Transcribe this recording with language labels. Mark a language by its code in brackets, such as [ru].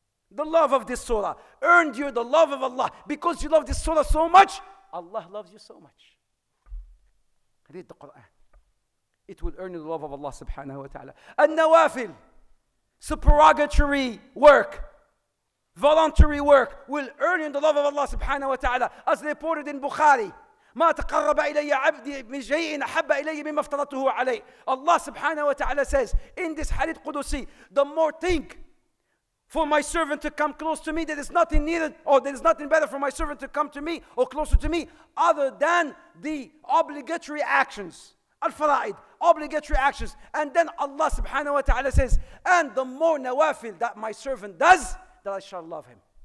[en] The love of this surah earned you the love of Allah. Because you love this surah so much, Allah loves you so much. Read the Quran. It will earn you the love of Allah subhanahu wa ta'ala. An-nawafil, supererogatory work. Voluntary work will earn you the love of Allah subhanahu wa ta'ala. As reported in Bukhari, [ar] مَا تَقَرَّبَ إِلَيَّ عَبْدِي مِنْ شَيْءٍ أَحَبَّ إِلَيَّ مِمَّ افْتَرَتُهُ عَلَيْهِ. [en] Allah subhanahu wa ta'ala says in this hadith Qudusi, the more thing for my servant to come close to me, there is nothing needed, or there is nothing better for my servant to come to me or closer to me other than the obligatory actions. Al-fara'id, obligatory actions. And then Allah subhanahu wa ta'ala says, and the more nawafil that my servant does, that I shall love him.